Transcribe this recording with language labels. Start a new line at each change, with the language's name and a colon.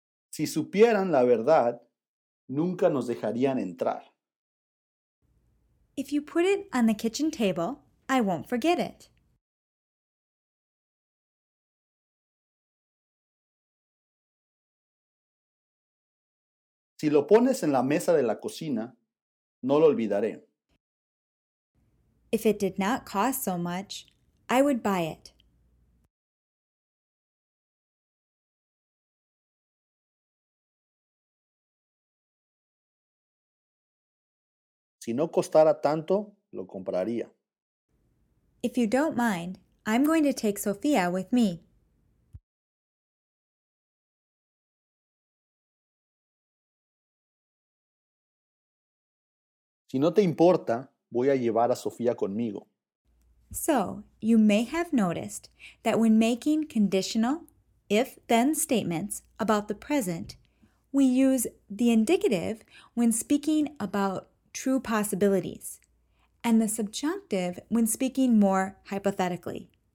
Spanish: Si supieran la verdad, nunca nos dejarían entrar.
English: If you put it on the kitchen table, I won't forget it.
Spanish: Si lo pones en la mesa de la cocina, no lo olvidaré.
English: If it did not cost so much, I would buy it.
Spanish: Si no costara tanto, lo compraría.
English: If you don't mind, I'm going to take Sofía with me.
Spanish: Si no te importa, voy a llevar a Sofía conmigo.
English: So, you may have noticed that when making conditional, if-then statements about the present, we use the indicative when speaking about true possibilities, and the subjunctive when speaking more hypothetically.